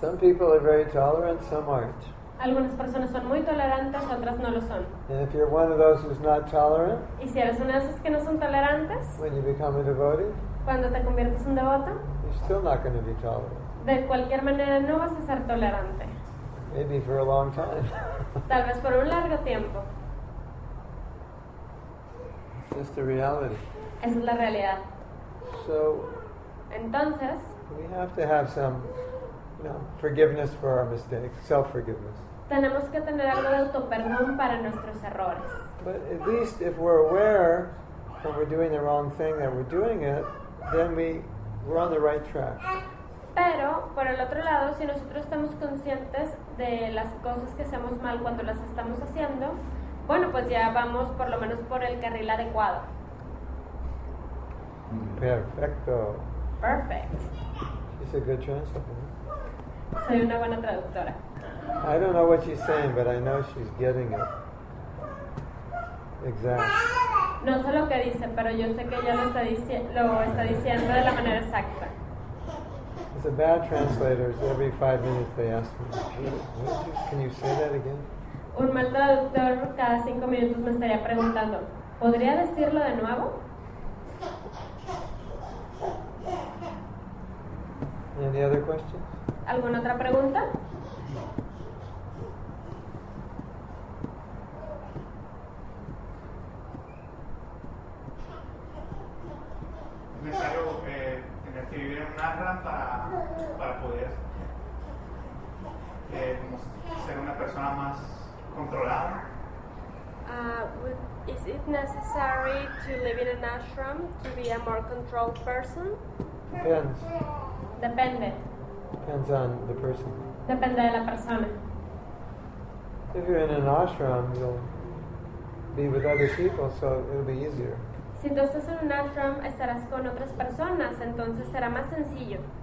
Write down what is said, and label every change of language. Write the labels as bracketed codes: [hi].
[en] Some people are very tolerant, some aren't. [es] Algunas personas son muy tolerantes, otras no lo son. [en] And if you're one of those who's not tolerant, [es] y si eres una de esas que no son tolerantes, [en] when you become a devotee, [es] cuando te conviertes en devoto, [en] you're still not going to be tolerant. [es] De cualquier manera no vas a ser tolerante. [en] Maybe for a long time. [es] Tal vez por un largo tiempo. [en] It's just the reality. [es] Esa es la realidad. [en] So, [es] entonces, [en] we have to have some, you know, forgiveness for our mistakes, self-forgiveness. [es] Tenemos que tener algo de autoperdón para nuestros errores. [en] But at least if we're aware that we're doing the wrong thing, that we're doing it, then we're on the right track. [es] Pero, por el otro lado, si nosotros estamos conscientes de las cosas que hacemos mal cuando las estamos haciendo, bueno, pues ya vamos por lo menos por el carril adecuado. Perfecto. [en] Perfect. She's a good translator. [es] Soy una buena traductora. [en] I don't know what she's saying, but I know she's getting it. Exactly. [es] No sé lo que dice, pero yo sé que ella lo está diciendo de la manera exacta. [en] It's a bad translator. Every 5 minutes they ask me, can you say that again? [es] Un mal traductor cada 5 minutos me estaría preguntando, ¿Podría decirlo de nuevo? [en] Any other questions? [es] ¿Alguna otra pregunta? ¿Es necesario tener que vivir en un ashram para poder ser una persona más controlada? [en] Is it necessary to live in an ashram to be a more controlled person? Depends. [es] Depende. [en] Depends on the person. [es] Depende de la persona. [en] If you're in an ashram, you'll be with other people, so it'll be easier. [es] Si tú estás en un ashram, estarás con otras personas, entonces será más sencillo.